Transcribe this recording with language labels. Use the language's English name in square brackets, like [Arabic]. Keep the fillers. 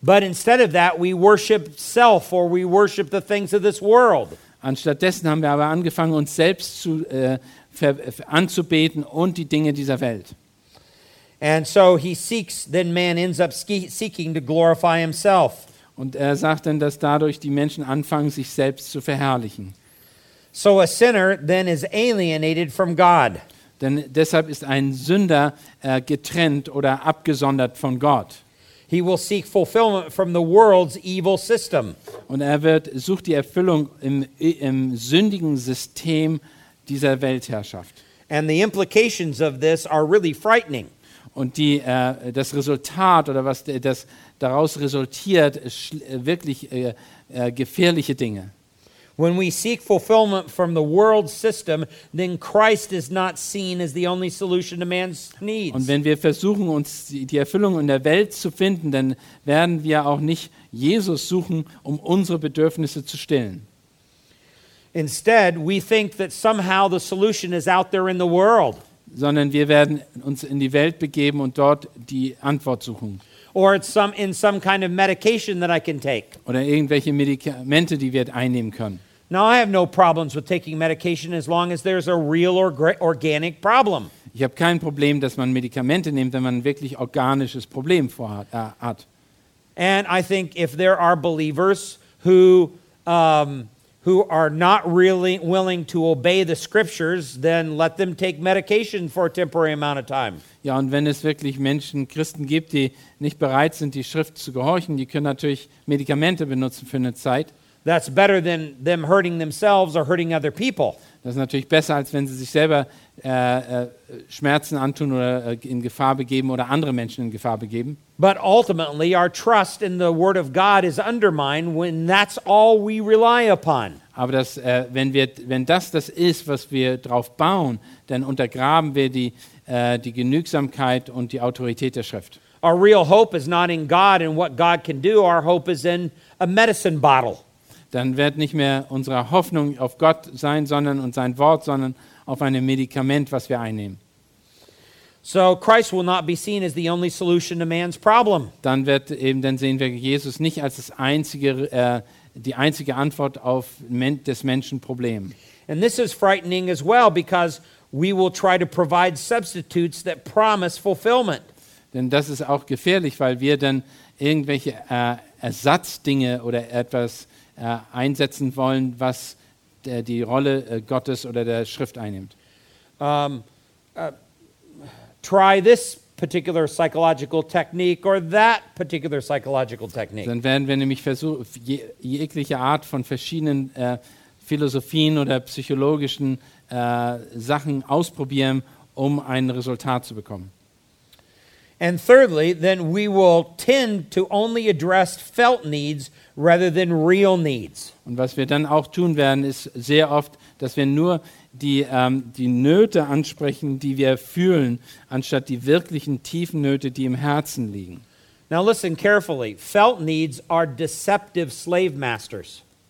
[German] Aber [English] instead of, of [German] haben wir aber angefangen, uns selbst zu, äh, anzubeten und die Dinge dieser Welt. [English] So seeks, [German] und er sagt dann, dass dadurch die Menschen anfangen, sich selbst zu verherrlichen. [English] So a sinner then is alienated from God. [German] Denn deshalb ist ein Sünder getrennt oder abgesondert von Gott. [English] He will seek fulfillment from the world's evil system. [German] Und er wird sucht die Erfüllung im, im sündigen System dieser Weltherrschaft. [English] And the implications of this are really frightening. [German] Und die, äh, das Resultat oder was das daraus resultiert, ist wirklich äh, gefährliche Dinge. [English] When we seek fulfillment from the world system, then Christ is not seen as the only solution to man's needs. [German] Und wenn wir versuchen uns die Erfüllung [English] in the world, then we will not [German] wir auch [English] Jesus to um our needs. Instead, we think that somehow the solution is out there in the world. [German] Sondern wir werden uns in die Welt begeben und dort die Antwort suchen. [English] Or it's some, in some kind of medication that I can take. [German] Oder irgendwelche Medikamente, die wir einnehmen können. [English] Now, I have no problems with taking medication as long as there's a real or orga organic problem. [German] Ich habe kein Problem, dass man Medikamente nimmt, wenn man wirklich organisches Problem vorhat, äh, hat. [English] And I think if there are believers who um, who are not really willing to obey the scriptures, then let them take medication for a temporary amount of time. [German] Ja, und wenn es wirklich Menschen, Christen gibt, die nicht bereit sind, die Schrift zu gehorchen, die können natürlich Medikamente benutzen für eine Zeit. [English] That's better than them hurting themselves or hurting other people. [German] Das ist natürlich besser als wenn sie sich selber äh, äh, Schmerzen antun oder äh, in Gefahr begeben oder andere Menschen in Gefahr begeben. [English] But ultimately our trust in the word of God is undermined when that's all we rely upon. [German] Aber das, äh, wenn, wir, wenn das das ist, was wir drauf bauen, dann untergraben wir die, äh, die Genügsamkeit und die Autorität der Schrift. [English] Our real hope is not in God and what God can do. Our hope is in a medicine bottle. [German] dann wird nicht mehr unsere Hoffnung auf Gott sein, sondern und sein Wort, sondern auf ein Medikament, was wir einnehmen. [English] So Christ will not be seen as the only solution to [German] dann, eben, dann sehen wir Jesus nicht als einzige, äh, die einzige Antwort auf Men des Menschen Problem. Well Denn das ist auch gefährlich, weil wir dann irgendwelche äh, Ersatzdinge oder etwas äh, einsetzen wollen, was der, die Rolle äh, Gottes oder der Schrift einnimmt. Um, uh, Dann werden wir nämlich je, jegliche Art von verschiedenen äh, Philosophien oder psychologischen Sachen ausprobieren, um ein Resultat zu bekommen. [English] And thirdly, then we will tend to only address felt needs rather than real needs. [German] Und was wir dann auch tun werden, ist sehr oft, dass wir nur die, ähm, die Nöte ansprechen, die wir fühlen, anstatt die wirklichen tiefen Nöte, die im Herzen liegen. [English] Now listen carefully. Felt needs are deceptive slave masters.